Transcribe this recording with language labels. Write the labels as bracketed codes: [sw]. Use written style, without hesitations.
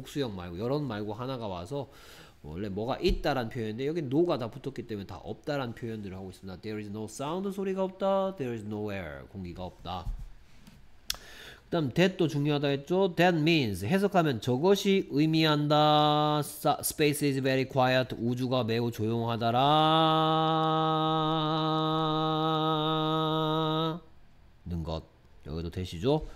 [ko] 복수형 말고 여럿 말고 하나가 와서 원래 뭐가 있다라는 표현인데 여기 no가 다 붙었기 때문에 다 없다라는 표현들을 하고 있습니다. [en] There is no sound [ko] 소리가 없다. [en] There is nowhere [ko] 공기가 없다. 그다음 that도 중요하다 했죠. [en] That means [ko] 해석하면 저것이 의미한다. [en] Space is very quiet. [ko] 우주가 매우 조용하다라는 것. 여기도 되시죠?